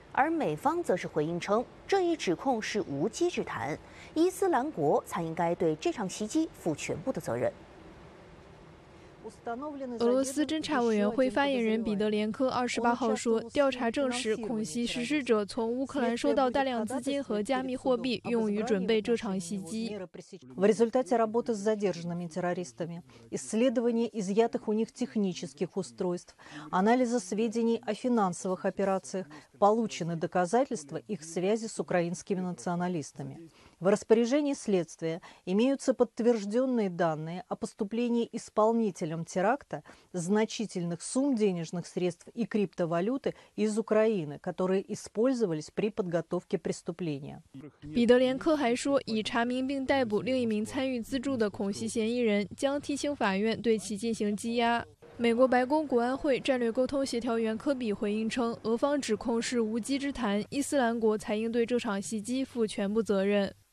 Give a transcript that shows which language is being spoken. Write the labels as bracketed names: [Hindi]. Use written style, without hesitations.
[Chinese] 而美方则是回应称，这一指控是无稽之谈，伊斯兰国才应该对这场袭击负全部的责任。俄罗斯侦查委员会发言人彼得连科28号说，调查证实恐袭实施者从乌克兰收到大量资金和加密货币，用于准备这场袭击。 [Russian] В результате работы с задержанными террористами, исследования изъятых у них технических устройств, анализа сведений о финансовых операциях, получены доказательства их связи с украинскими националистами. В распоряжении следствия имеются подтвержденные данные о поступлении исполнителям теракта значительных сумм денежных средств и криптовалюты из Украины, которые использовались при подготовке преступления. [Chinese] 彼得连科还说，已查明并逮捕另一名参与资助的恐袭嫌疑人，将提请法院对其进行羁押。美国白宫国安会战略沟通协调员科比回应称，俄方指控是无稽之谈，伊斯兰国才应对这场袭击负全部责任。